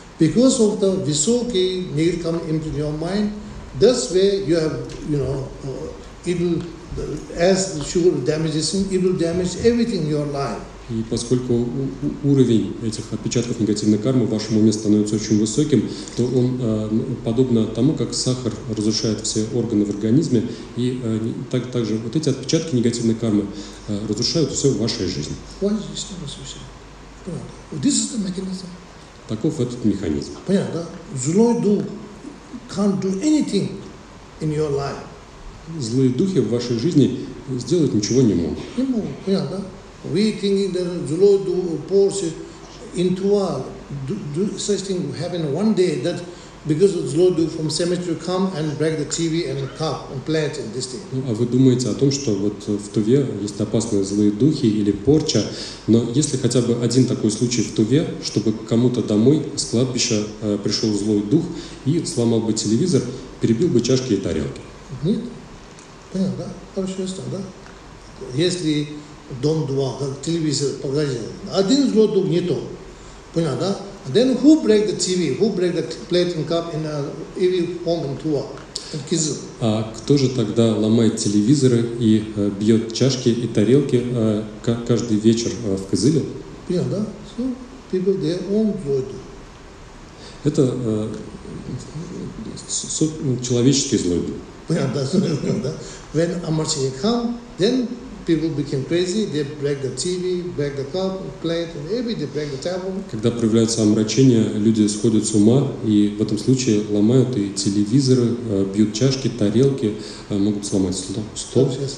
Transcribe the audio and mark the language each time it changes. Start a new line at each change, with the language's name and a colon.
English: Because of the
Russian: высокий
English: negative karma entry in your mind, that's where you have, you know, it will, as sugar damages, it will damage everything in your life.
Russian: И поскольку уровень этих отпечатков негативной кармы в вашем уме становится очень высоким, то он подобно тому, как сахар разрушает все органы в организме, и также вот эти отпечатки негативной кармы разрушают все в вашей жизни.
English: This is the mechanism.
Russian: Таков этот механизм. Понятно, да? Злой дух
English: can't do anything in your life.
Russian: Злые духи в вашей жизни сделать ничего не могут. Не могут, понятно, да?
English: We think that
Russian: злой дух
English: pours into us, such thing happen one day that because of злой дух from cemetery come and break the TV and the cup and plants and this thing.
Russian: Ну, а вы думаете о том, что вот в Туве есть опасные злые духи или порча, но если хотя бы один такой случай в Туве, чтобы кому-то домой с кладбища пришел злой дух и сломал бы телевизор, перебил бы чашки и тарелки? Нет. Понятно, да? Хорошо, ясно, да? Если дом два, как телевизор, погодите, один злой дух не то. Понятно, да?
English: Then who break the TV? Who break the plate and cup in every home in Tuva?
Russian: А кто же тогда ломает телевизоры и бьет чашки и тарелки каждый вечер в Кызыле? Понятно, да?
English: So people there own
Russian: злой дух. Это человеческий злой дух. Понятно, да?
English: When Amartya come, then people became crazy, they break the TV, break the cup, plate, and everything, they break the table.
Russian: Когда проявляется омрачение, люди сходят с ума, и в этом случае ломают и телевизоры, бьют чашки, тарелки, могут сломать стол.